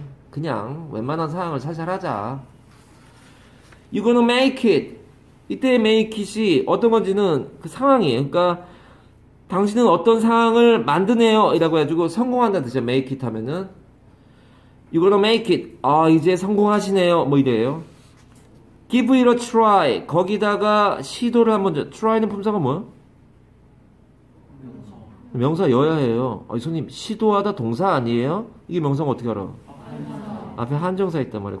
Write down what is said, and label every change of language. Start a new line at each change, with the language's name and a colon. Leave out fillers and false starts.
Korean: 그냥 웬만한 상황을 살살하자.
English: You gonna make it.
Korean: 이때 make it이 어떤 건지는 그 상황이에요. 그러니까 당신은 어떤 상황을 만드네요 이라고 해가지고 성공한다 뜻이죠.
English: make it 하면은 you gonna make it.
Korean: 아 이제 성공하시네요 뭐 이래요.
English: give it a try.
Korean: 거기다가 시도를 한번 줘. try는 품사가 뭐예요? 명사 여야 해요. 아니, 손님 시도하다 동사 아니에요? 이게 명사가 어떻게 알아? 앞에 한정사 있단 말이에요.